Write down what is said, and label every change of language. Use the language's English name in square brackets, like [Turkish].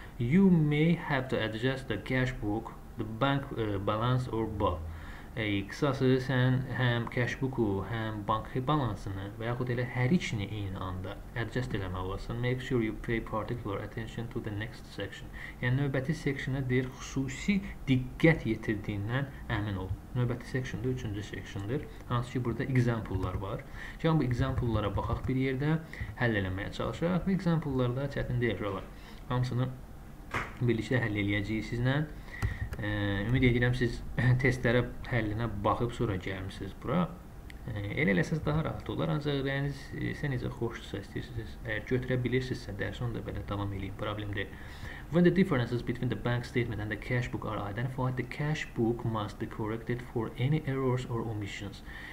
[English] You may have to adjust the cash book, the bank balance or both. [Azerbaijani] Qısası, sən həm cashbook'u, həm bank balansını və yaxud elə hər ikisini eyni anda adjust eləməli olasın. [English] Make sure you pay particular attention to the next section. [Azerbaijani] Yəni, növbəti seksiyona deyir, xüsusi diqqət yetirdiyindən əmin ol. Növbəti seksiyon da üçüncü seksiyondur. Hansı ki, burada example'lar var. Gəlin bu example'lara baxaq bir yerdə, həll eləməyə çalışaq. Bu example'larda çətin deyil, rəvar. Hamısını birlikdə həll eləyəcəyik sizlə. Ümid edirəm siz testlərə həllinə baxıb sonra gəlmisiniz bura. Elə eləsəz daha rahat olar. Ancaq sən necə xoşdursa istəyirsiniz. Əgər götürə bilirsinizsə dərsi onu da belə davam edin. Problem deyil. [English] When the differences between the bank statement and the cash book are identified, the cash book must be corrected for any errors or omissions.